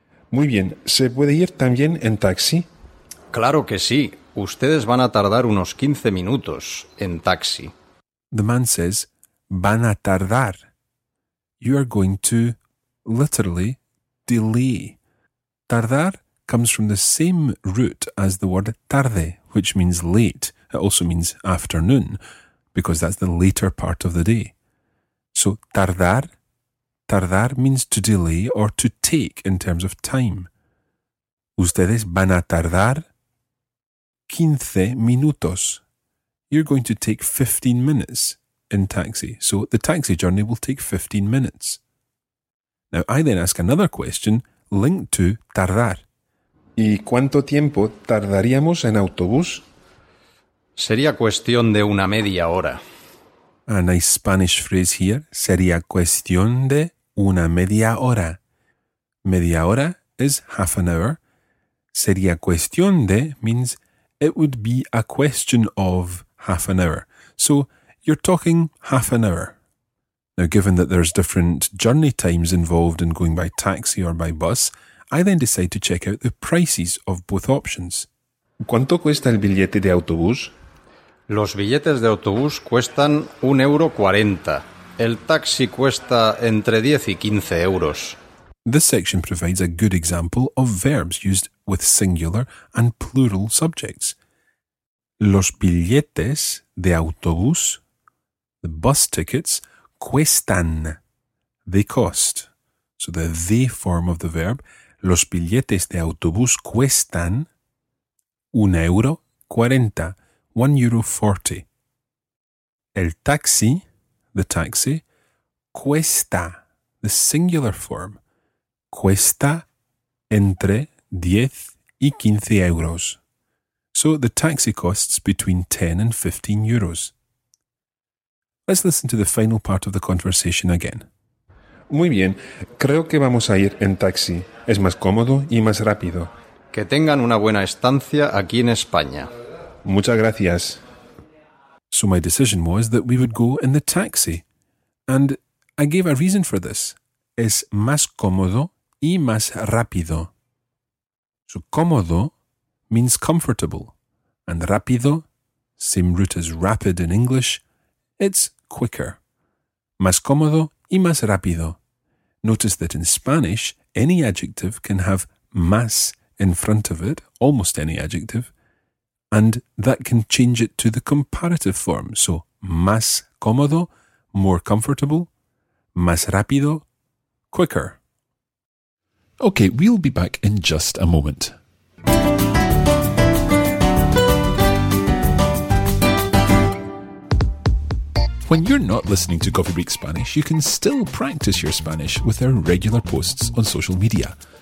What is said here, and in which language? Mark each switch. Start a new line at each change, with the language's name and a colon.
Spanish: Muy bien, ¿se puede ir también en taxi? Claro que sí. Ustedes van a tardar unos 15 minutos en taxi.
English: The man says, van a tardar. You are going to, literally, delay. Tardar comes from the same root as the word tarde, which means late. It also means afternoon, because that's the later part of the day. So tardar, tardar means to delay or to take in terms of time.
Spanish: Ustedes van a tardar 15 minutos.
English: You're going to take 15 minutes in taxi. So the taxi journey will take 15 minutes. Now I then ask another question linked to tardar.
Spanish: ¿Y cuánto tiempo tardaríamos en autobús? Sería cuestión de una media hora.
English: A nice Spanish phrase here.
Spanish: Sería cuestión de una media hora.
English: Media hora is half an hour. Sería cuestión de means it would be a question of half an hour. So you're talking half an hour. Now, given that there's different journey times involved in going by taxi or by bus, I then decide to check out the prices of both options.
Spanish: ¿Cuánto cuesta el billete de autobús? Los billetes de autobús cuestan 1,40 €. El taxi cuesta entre 10 y 15 euros.
English: This section provides a good example of verbs used with singular and plural subjects. Los billetes de autobús, the bus tickets, cuestan, they cost. So the form of the verb, los billetes de autobús cuestan 1,40 €, 1,40 €. El taxi, the taxi, cuesta, the singular form, cuesta entre 10 y 15 euros. So the taxi costs between 10 and 15 euros. Let's listen to the final part of the conversation again.
Spanish: Muy bien, creo que vamos a ir en taxi. Es más cómodo y más rápido. Que tengan una buena estancia aquí en España. Muchas gracias.
English: So my decision was that we would go in the taxi. And I gave a reason for this.
Spanish: Es más cómodo y más rápido.
English: So cómodo means comfortable. And rápido, same root as rapid in English, it's quicker. Más cómodo y más rápido. Notice that in Spanish, any adjective can have más in front of it, almost any adjective, and that can change it to the comparative form. So, más cómodo, more comfortable, más rápido, quicker. Okay, we'll be back in just a moment. When you're not listening to Coffee Break Spanish, you can still practice your Spanish with our regular posts on social media.